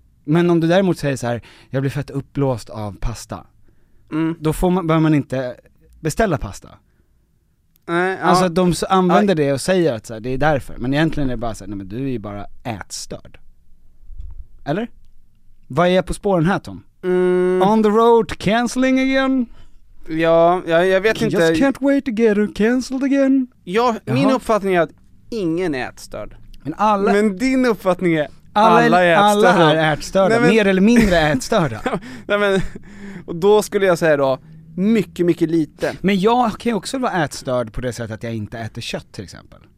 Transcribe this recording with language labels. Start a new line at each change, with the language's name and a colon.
Swedish: Men om du däremot säger så här: jag blir fett uppblåst av pasta. Mm. Då bör man inte beställa pasta. Nej, alltså att de använder det och säger att så här, det är därför. Men egentligen är det bara så här, nej, men du är ju bara ätstörd. Eller? Vad är jag på spåren här, Tom? Mm.
English: On the road, canceling again?
Swedish: Ja, jag vet inte.
English: Just can't wait to get canceled again.
Swedish: Ja, min uppfattning är att ingen är ätstörd. Men alla... Men din uppfattning är alla är ätstörda. Alla är ätstörda. Nej, men... Mer eller mindre ätstörda. Nej, men... Och då skulle jag säga då, mycket, mycket lite. Men jag kan ju också vara ätstörd på det sättet att jag inte äter kött, till exempel.